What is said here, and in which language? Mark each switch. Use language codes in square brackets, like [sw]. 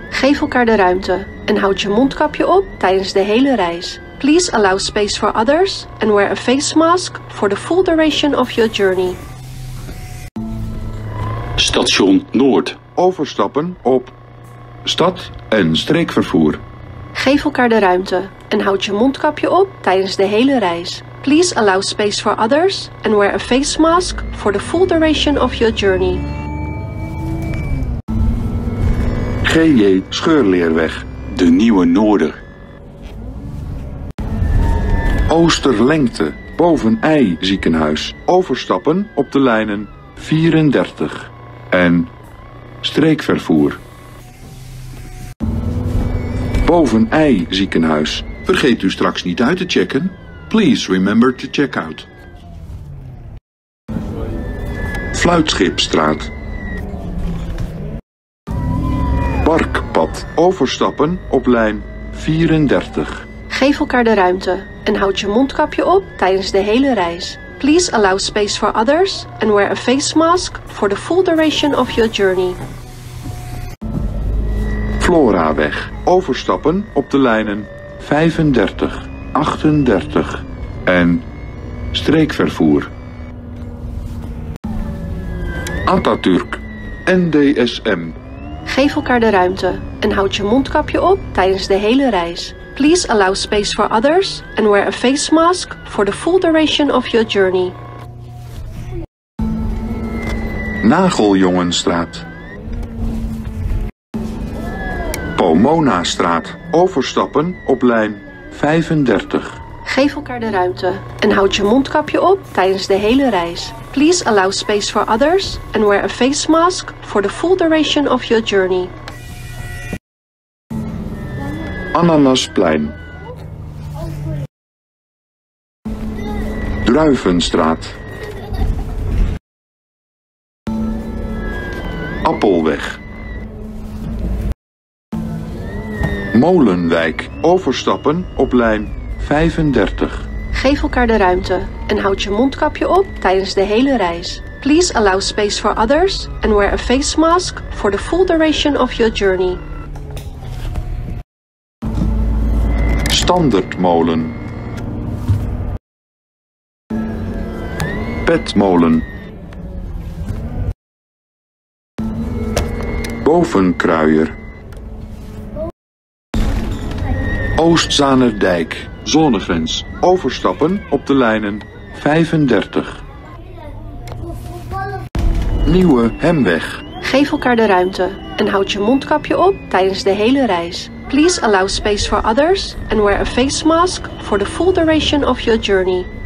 [nl] Geef elkaar de ruimte en houd je mondkapje op tijdens de hele reis. [en] Please allow space for others and wear a face mask for the full duration of your journey. [nl] Station Noord. Overstappen op stad- en streekvervoer. Geef elkaar de ruimte en houd je mondkapje op tijdens de hele reis. [en] Please allow space for others and wear a face mask for the full duration of your journey. [nl] GJ Scheurleerweg. De Nieuwe Noorder. Oosterlengte. Boven IJ Ziekenhuis. Overstappen op de lijnen 34. En streekvervoer. Boven IJ Ziekenhuis. Vergeet u straks niet uit te checken. [en] Please remember to check out. [nl] Fluitschipstraat. Barkpad. Overstappen op lijn 34. Geef elkaar de ruimte en houd je mondkapje op tijdens de hele reis. [en] Please allow space for others and wear a face mask for the full duration of your journey. [nl] Floraweg. Overstappen op de lijnen 35, 38 en streekvervoer. Atatürk. NDSM. Geef elkaar de ruimte en houd je mondkapje op tijdens de hele reis. [en] Please allow space for others and wear a face mask for the full duration of your journey. [nl] Nageljongenstraat. Pomona-straat. Overstappen op lijn 35. Geef elkaar de ruimte en houd je mondkapje op tijdens de hele reis. [en] Please allow space for others and wear a face mask for the full duration of your journey. [nl] Ananasplein. Druivenstraat. Appelweg. Molenwijk. Overstappen op lijn 35. Geef elkaar de ruimte en houd je mondkapje op tijdens de hele reis. [en] Please allow space for others and wear a face mask for the full duration of your journey. [nl] Standerdmolen. Petmolen. Bovenkruier. Oostzaanerdijk. Zonnegrens. Overstappen op de lijnen 35. Nieuwe Hemweg. Geef elkaar de ruimte en houd je mondkapje op tijdens de hele reis. [en] Please allow space for others and wear a face mask for the full duration of your journey.